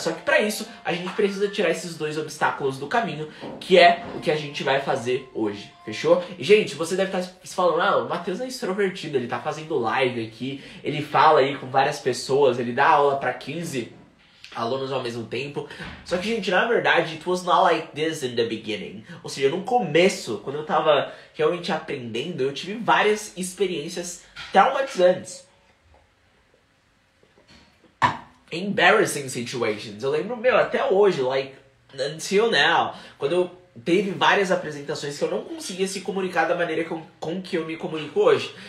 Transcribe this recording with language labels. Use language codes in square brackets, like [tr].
[pt] Só que pra isso, a gente precisa tirar esses dois obstáculos do caminho, que é o que a gente vai fazer hoje, fechou? E, gente, você deve estar se falando, ah, o Matheus é extrovertido, ele tá fazendo live aqui, ele fala aí com várias pessoas, ele dá aula pra 15 alunos ao mesmo tempo. Só que, gente, na verdade, [en] it was not like this in the beginning. [pt] Ou seja, no começo, quando eu tava realmente aprendendo, eu tive várias experiências traumatizantes. [en] Embarrassing situations. [pt] Eu lembro, meu, até hoje, [en] like, until now, [pt] quando eu teve várias apresentações que eu não conseguia se comunicar da maneira com que eu me comunico hoje.